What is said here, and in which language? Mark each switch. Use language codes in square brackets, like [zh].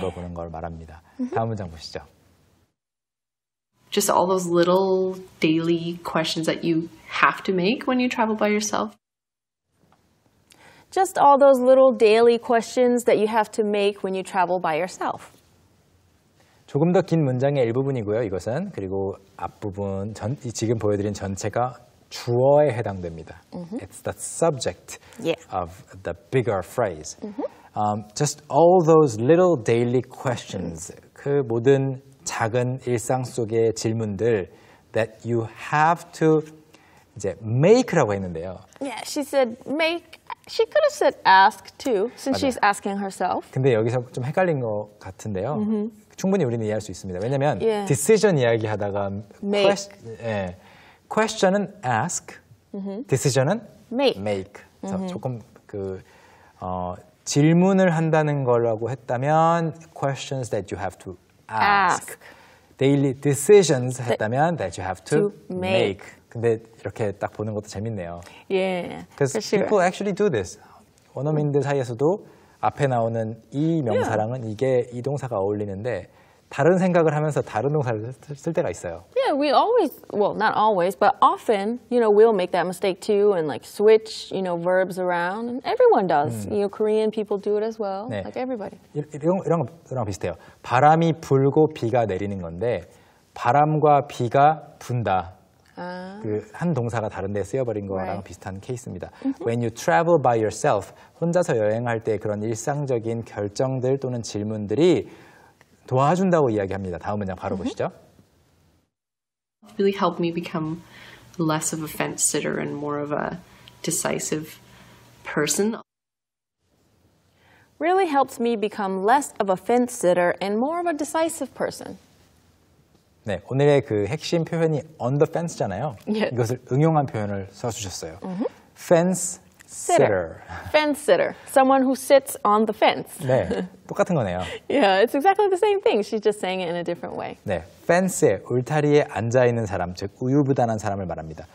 [ko] 물어보는 걸 말합니다. Mm-hmm. 다음 문장 보시죠. [en] Just all those little daily questions that you have to make when you travel by yourself. Just all those little daily questions that you have to make when you travel by yourself. [ko] 조금 더 긴 문장의 일부분이고요. 이것은 그리고 앞부분 전 지금 보여드린 전체가 주어에 해당됩니다. [en] Mm-hmm. It's the subject yeah. of the bigger phrase. Mm-hmm. Just all those little daily questions. Mm-hmm. [ko] 그 모든 작은 일상 속의 질문들 [en] that you have to [ko] 이제 [en] make라고 했는데요. Yeah, she said make. She could have said ask too, since [ko] 맞아요. [en] she's asking herself. [ko] 근데 여기서 좀 헷갈린 것 같은데요. Mm-hmm. 충분히 우리는 이해할 수 있습니다. 왜냐하면 yeah. decision 이야기하다가 [en] make. [ko] question은 ask, mm-hmm. decision은 [en] make. [ko] make. 그래서 mm-hmm. 조금 그 질문을 한다는 거라고 했다면 [en] questions that you have to ask. Daily decisions [ko] 했다면 [en] that you have to make. [ko] 근데 이렇게 딱 보는 것도 재밌네요. Yeah, [en] for sure. Because people actually do this. [ko] 원어민들 사이에서도 앞에 나오는 이 명사랑은 이게 이 동사가 어울리는데 다른 생각을 하면서 다른 동사를 쓸 때가 있어요. [en] Yeah, we always, well, not always, but often, you know, we'll make that mistake too and like switch, you know, verbs around. Everyone does. You know, Korean people do it as well, [ko] 네. [en] like everybody. [ko] 이런 거 비슷해요. 바람이 불고 비가 내리는 건데 바람과 비가 분다. 그 한 동사가 다른데 쓰여버린 거랑 right. 비슷한 케이스입니다. [en] When you travel by yourself, [ko] 혼자서 여행할 때 그런 일상적인 결정들 또는 질문들이 도와준다고 이야기합니다. 다음 문장 바로 보시죠. [en] Really helped me become less of a fence sitter and more of a decisive person. Really helped me become less of a fence sitter and more of a decisive person. [ko] 네, 오늘의 그 핵심 표현이 on the fence잖아요. [en] Yes. [ko] 이것을 응용한 표현을 써주셨어요. [en] Mm-hmm. Fence sitter. Fence sitter. Someone who sits on the fence. [ko] 네, 똑같은 거네요. [en] Yeah, it's exactly the same thing. She's just saying it in a different way. [ko] 네, fence에 울타리에 앉아 있는 사람, 즉 우유부단한 사람을 말합니다.